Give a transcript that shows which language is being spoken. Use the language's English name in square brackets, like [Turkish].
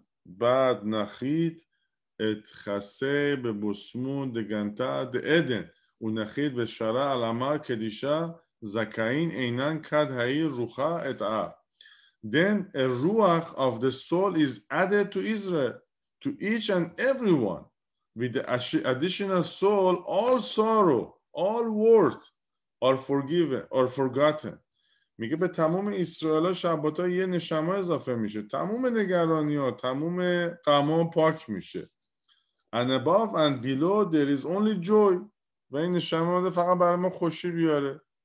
[Aramaic] بعد نخید ات خسه به بسمون دگنتا د ادن و نخید به شرع علمه کدیشا زکاین اینان کد هایی روخا ات آ [English] then a ruach of the soul is added to Israel to each and everyone with the additional soul all sorrow all worth are forgiven or forgotten. [Persian] میگه به تمام اسرائیل ها شبات ها یه نشمه اضافه میشه، تمام نگرانی ها، تمام غم ها پاک میشه. [English] And above and below there is only joy. [Persian] و این نشمه ها فقط برای ما خوشی بیاره.